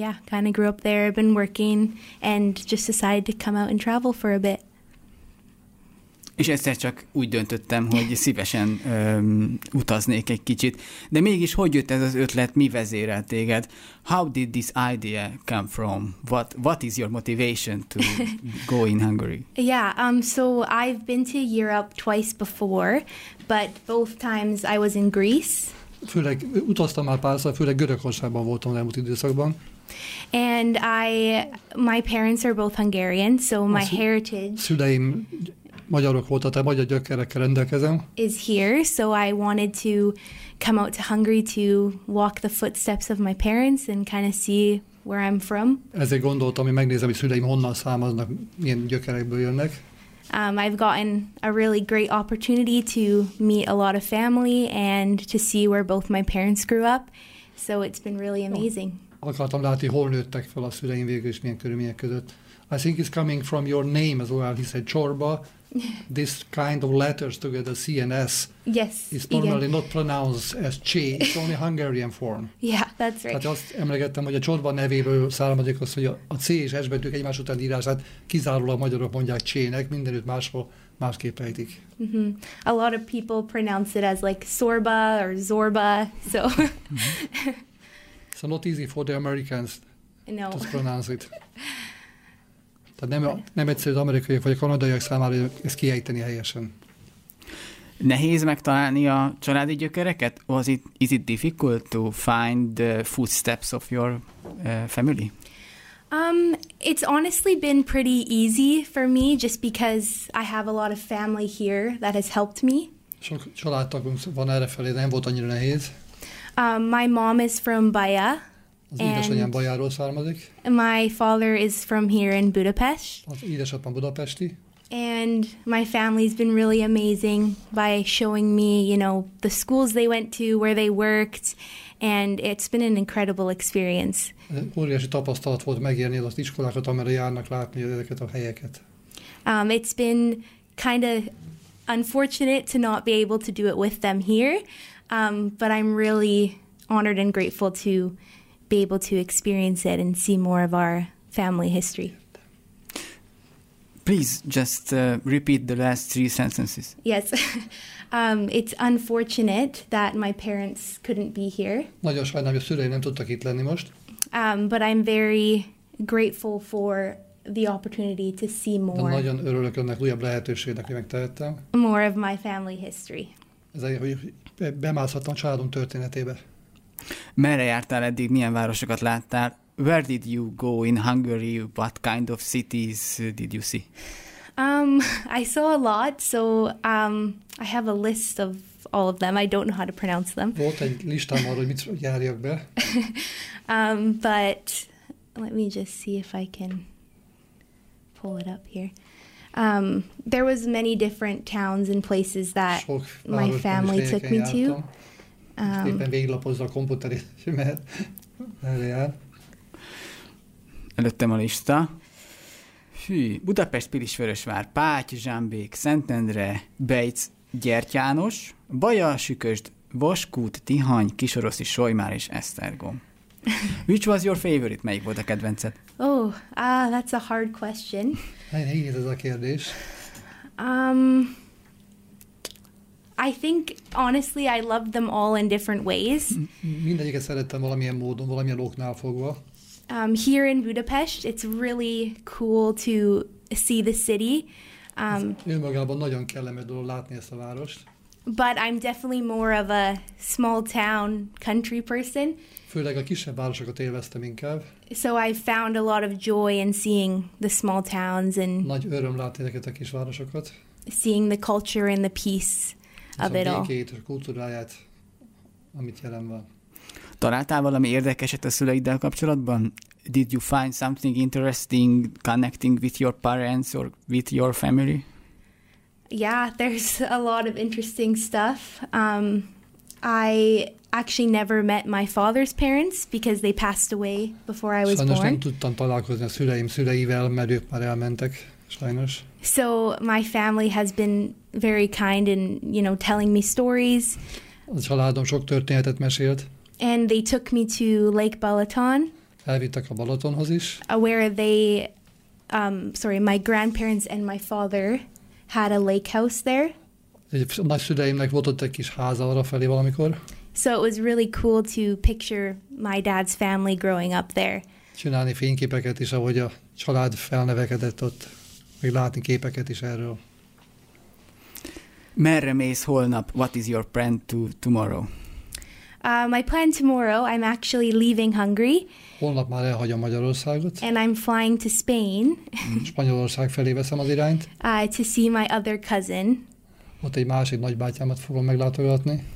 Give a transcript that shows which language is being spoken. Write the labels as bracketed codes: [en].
[en] Kind of grew up there, been working, and just decided to come out and travel for a bit. [hu] És egyszer csak úgy döntöttem, hogy szívesen utaznék egy kicsit. De mégis hogy jött ez az ötlet, mi vezérel téged? [en] How did this idea come from? What is your motivation to go in Hungary? So I've been to Europe twice before, but both times I was in Greece. [hu] Főleg utaztam már párszor, főleg Görögországban voltam az elmúlt időszakban. [en] And my parents are both Hungarian, so my heritage... [hu] Szüleim magyarok voltak, tehát magyar gyökerekkel rendelkezem. [en] ...is here, so I wanted to come out to Hungary to walk the footsteps of my parents and kind of see where I'm from. [hu] Ezért gondoltam, hogy megnézem, hogy szüleim honnan származnak, milyen gyökerekből jönnek. [en] I've gotten a really great opportunity to meet a lot of family and to see where both my parents grew up, so it's been really amazing. [hu] Akartam látni, hol nőttek fel a szüleim végül, és milyen körülmények között. [en] I think it's coming from your name as well. He said Csorba. This kind of letters together, C and S, yes, is normally not pronounced as Csé. It's only Hungarian form. Yeah, that's right. [hu] Tehát azt emlegettem, hogy a Csorba nevéből származik az, hogy a C és S betűk egymás után írását kizárólag magyarok mondják Csének, mindenütt máshol másképp ejtik. Mm-hmm. [en] A lot of people pronounce it as like Sorba or Zorba, so... So not easy for the Americans to pronounce it. [hu] Tehát nem egyszerű az amerikai vagy a kanadaiak számára ezt kiejteni helyesen. Nehéz megtalálni a családi gyökereket? [en] Is it difficult to find the footsteps of your family? It's honestly been pretty easy for me, just because I have a lot of family here that has helped me. [hu] Sok családtagunk van errefelé, nem volt annyira nehéz. [en] My mom is from Baja. [hu] Az édesanyám Bajáról származik. [en] My father is from here in Budapest. [hu] Az édesapám budapesti. [en] And my family's been really amazing by showing me, you know, the schools they went to, where they worked, and it's been an incredible experience. [hu] Óriási tapasztalat volt megérni az iskolákat, amire járnak, látni ezeket a helyeket. [en] It's been kind of unfortunate to not be able to do it with them here, but I'm really honored and grateful to be able to experience it and see more of our family history. Please just repeat the last 3 sentences. Yes. It's unfortunate that my parents couldn't be here. [hu] Nagyon sajnálom, hogy a szüleim nem tudtak itt lenni most. [en] But I'm very grateful for the opportunity to see more. [hu] De nagyon örülök ennek újabb lehetőségnek, hogy megtehettem. [en] More of my family history. [hu] Ez egy, hogy bemászhattam a családom történetébe. Merre jártál eddig, milyen városokat láttál? [en] Where did you go in Hungary? What kind of cities did you see? I saw a lot, so I have a list of all of them. I don't know how to pronounce them. [hu] Volt egy listám arra, hogy mit járjak be. [en] But let me just see if I can pull it up here. There was many different towns and places that my family took me to. [hu] Éppen véglapozza a komputerét, mert erre jár. Előttem a lista. Budapest, Pilisvörösvár, Páty, Zsámbék, Szentendre, Bejc, Gyertyános, Baja, Sükösd, Vaskút, Tihany, Kisoroszi, Solymár és Esztergom. [en] Which was your favorite? [hu] Melyik volt a kedvenced? [en] Oh, that's a hard question. [hu] Nehéz ez a kérdés. [en] I think, honestly, I loved them all in different ways. [hu] Mindegyiket szerettem valamilyen módon, valamilyen oknál fogva. [en] Here in Budapest, it's really cool to see the city. [hu] Önmagában nagyon kellemes dolog látni ezt a várost. [en] But I'm definitely more of a small town country person. [hu] Főleg a kisebb városokat élveztem inkább. [en] So I found a lot of joy in seeing the small towns and [hu] nagy öröm látni ezeket a kisvárosokat. [en] Seeing the culture and the peace of it all. [hu] A békét, a kultúráját, amit jelen van. Találtál valami érdekeset a szüleiddel kapcsolatban? [en] Did you find something interesting connecting with your parents or with your family? Yeah, there's a lot of interesting stuff. I actually never met my father's parents because they passed away before I was [hu] sajnos [en] born. [hu] Nem tudtam találkozni a szüleim szüleivel, mert ők már elmentek, sajnos. [en] So my family has been very kind in, you know, telling me stories. [hu] A családom sok történetet mesélt. [en] And they took me to Lake Balaton. [hu] Elvittek a Balatonhoz is. [en] Where they, my grandparents and my father had a lake house there. [hu] Nagyszüleimnek volt ott egy kis háza arrafelé valamikor. [en] So it was really cool to picture my dad's family growing up there. [hu] Csinálni fényképeket is, ahogy a család felnevekedett ott, még látni képeket is erről. Merre mész holnap? [en] What is your plan to tomorrow? My plan tomorrow, I'm actually leaving Hungary. [hu] Holnap már elhagyom Magyarországot. [en] And I'm flying to Spain. [hu] Spanyolország felé veszem az irányt. [en] To see my other cousin. [hu] Ott egy másik nagybátyámat fogom meglátogatni.